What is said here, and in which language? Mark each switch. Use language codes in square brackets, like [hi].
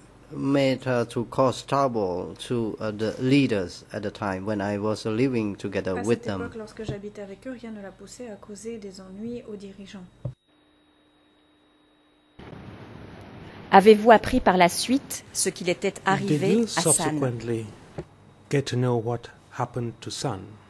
[en] Made her to cause trouble to the leaders at the time when I was living together with them. [fr] Lorsque j'habitais avec eux, rien ne l'a poussé à causer des ennuis aux dirigeants. Avez-vous appris par la suite ce qu'il était arrivé à San? [en] Did you subsequently get to know what happened to San?